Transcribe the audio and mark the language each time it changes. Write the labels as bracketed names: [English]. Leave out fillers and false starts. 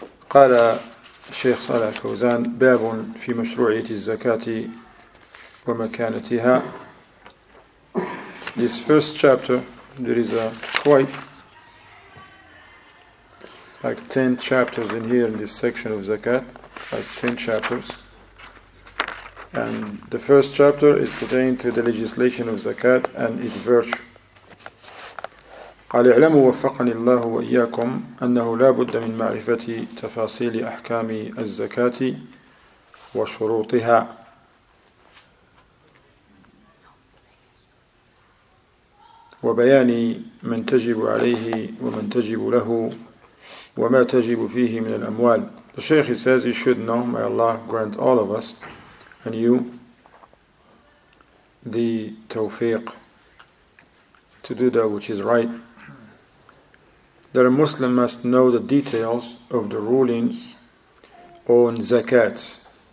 [Arabic] قال الشيخ صالح الفوزان باب في مشروعية الزكاة ومكانتها. [English] This first chapter, there is a quite like 10 chapters in here in this section of Zakat, like 10 chapters. And the first chapter is pertaining to the legislation of Zakat and its virtue. [Arabic] قال اعلموا وفقني الله وإياكم أنه لا بد من معرفة تفاصيل أحكام الزكاة وشروطها. وبيان من تجب عليه ومن تجب له وما تجب فيه من الأموال. [English] The Shaykh says you should know, may Allah grant all of us and you the tawfiq to do that which is right. That a Muslim must know the details of the rulings on zakat.